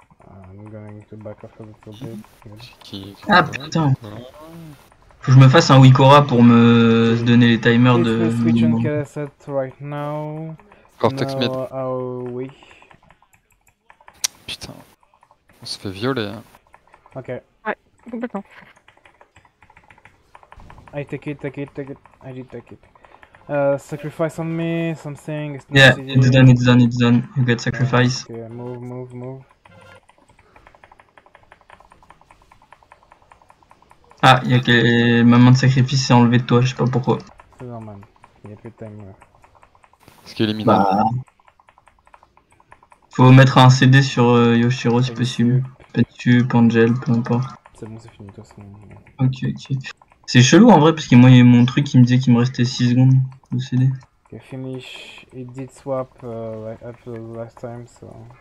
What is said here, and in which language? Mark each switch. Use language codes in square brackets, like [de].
[en] I'm going to back off a little bit. [fr] Ah putain. Faut que je me fasse un Wikora pour me donner les timers de [en] minimum. Right now. Cortex no, mid. [fr] Oui. Putain. On se fait violer. Hein. [en] Ok. [fr] Ouais, complètement. [en] I take it, take it, take it. I did take it. Sacrifice on me, something. It's yeah, it's done, it's done, it's done. You get sacrifice. Okay, move, move, move. [fr] Ah, y'a que ma main de sacrifice s'est enlevée de toi, je sais pas pourquoi. C'est normal, y'a plus de timer. Est-ce qu'il est minable bah... Faut mettre un CD sur Yoshiro si possible. Petup, Angel, peu importe. C'est bon, c'est fini, toi, c'est bon. [en] Ok, ok. [fr] C'est chelou en vrai, parce que moi, y'a mon truc qui me disait qu'il me restait 6 secondes de CD. [en] Ok, finish. It did swap after the last time, so.